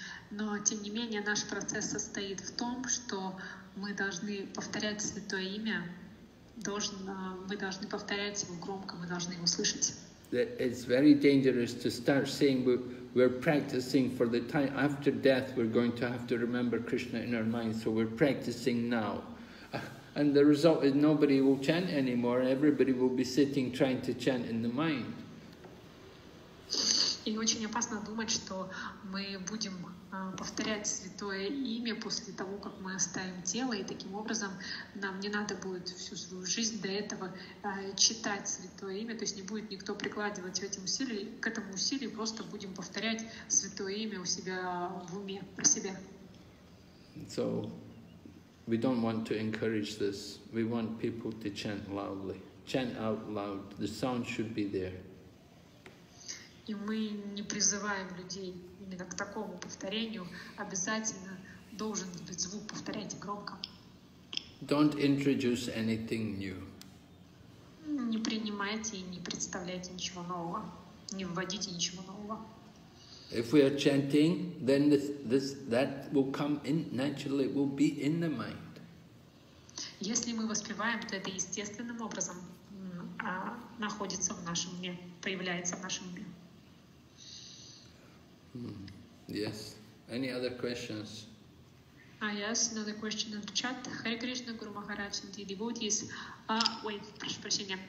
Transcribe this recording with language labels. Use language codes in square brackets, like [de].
[ru] Но тем не менее наш процесс состоит в том, что мы должны повторять святое имя. Мы должны повторять его громко, мы должны его слышать. [en] It's very dangerous to start saying we're practicing for the time after death. We're going to have to remember Krishna in our mind, so we're practicing now. And the result is nobody will chant anymore. Everybody will be sitting trying to chant in the mind. [ru] И очень опасно думать, что мы будем повторять святое имя после того, как мы оставим тело, и таким образом нам не надо будет всю свою жизнь до этого читать святое имя, то есть не будет никто прикладывать этим усилий, к этому усилию просто будем повторять святое имя у себя в уме, про себя. [en] So, we don't want to encourage this. We want people to chant loudly. Chant out loud. The sound should be there. [ru] И мы не призываем людей именно к такому повторению. Обязательно должен быть звук, повторяйте громко. [en] Don't introduce anything new. [ru] Не принимайте и не представляйте ничего нового. Не вводите ничего нового. [en] If we are chanting, then this that will come in naturally, will be in the mind. [ru] Если мы воспеваем, то это естественным образом находится в нашем уме, появляется в нашем уме. [en] Yes. Any other questions? Yes, another question in the chat. Hare Krishna, Guru Maharaj, and the devotees. [ru] Прошу прощения.